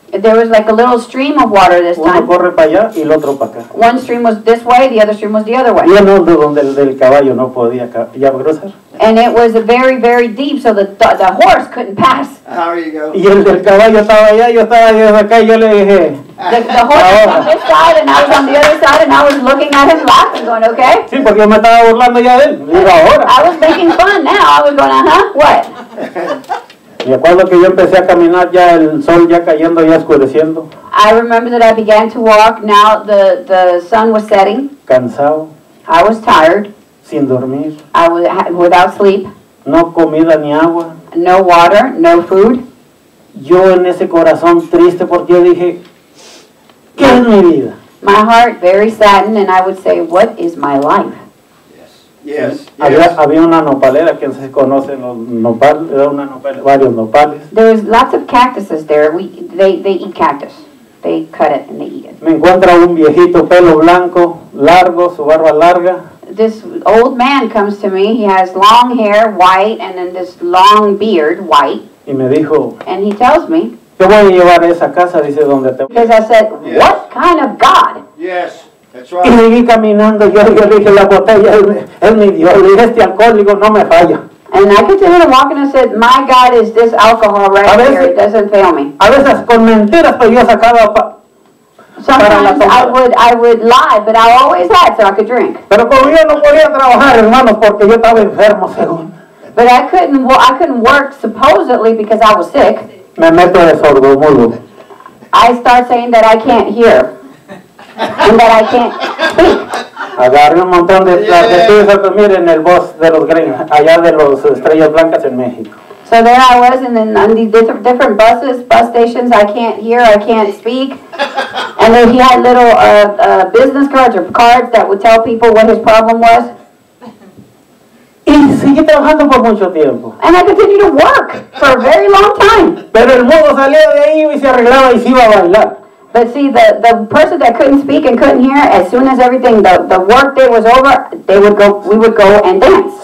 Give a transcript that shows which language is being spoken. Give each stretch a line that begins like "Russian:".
English: There was like a little stream of water this time.
Spanish: Uno corre para allá y el otro para acá.
English: One stream was this way, the other stream was the other way.
Spanish: Y uno donde el caballo no podía ya cruzar.
English: And it was very, very deep, so the horse couldn't pass. How are you going?
Spanish: Y el del caballo estaba allá, yo estaba allá acá, y yo le dije.
English: The horse was on this side, and I was on the other side, and I was looking at him, laughing, going, okay?
Spanish: Sí, porque yo me estaba burlando ya de él. Y digo, ahora.
English: I was making fun now. I was going, uh-huh, what?
Spanish: Me acuerdo que yo empecé a caminar ya el sol ya cayendo, ya oscureciendo.
English: I remember that I began to walk, now the sun was setting.
Spanish: Cansado.
English: I was tired.
Spanish: Sin dormir.
English: I was without sleep.
Spanish: No comida ni agua.
English: No water, no food.
Spanish: Yo en ese corazón triste porque yo dije, ¿qué es mi vida?
English: My heart very saddened and I would say, what is my life? Yes, yes.
Spanish: Había una nopalera, quien se conoce los nopales, era una nopalera, varios nopales.
English: There's lots of cactuses there. They eat cactus. They cut it and they eat it.
Spanish: Me encuentra un viejito, pelo blanco, largo, su barba larga.
English: This old man comes to me. He has long hair, white, and then this long beard, white.
Spanish: Y me dijo.
English: And he tells me.
Spanish: Te voy a llevar a esa casa, dice, donde te.
English: Because I said, yes. What kind of God? Yes. That's right.
Spanish: Y seguí caminando, yo dije, la botella es mi Dios, y este alcohólico no me falla.
English: And I continued walking and said, my God is this alcohol right
Spanish: veces,
English: here, it doesn't fail me.
Spanish: A veces con mentiras, pero yo sacaba
English: I would lie, but I always had so I could drink.
Spanish: Pero como yo no podía trabajar, hermanos, porque yo estaba enfermo, según.
English: But I couldn't work, supposedly, because I was sick.
Spanish: Me meto de sordo, mudo.
English: I start saying that I can't hear. And that I can't speak.
Spanish: Agarré un montón de platitudes, pues miren, el voz de los gringos, allá de los Estrellas Blancas en México.
English: So there I was, and then on these different buses, bus stations, I can't hear, I can't speak. And then he had little business cards or cards that would tell people what his problem was.
Spanish: Y seguí trabajando por mucho tiempo.
English: And I continued to work for a very long time.
Spanish: Pero el mudo salía de ahí y se arreglaba y se iba a bailar.
English: But see, the person that couldn't speak and couldn't hear, as soon as everything, the work day was over, we would go and dance.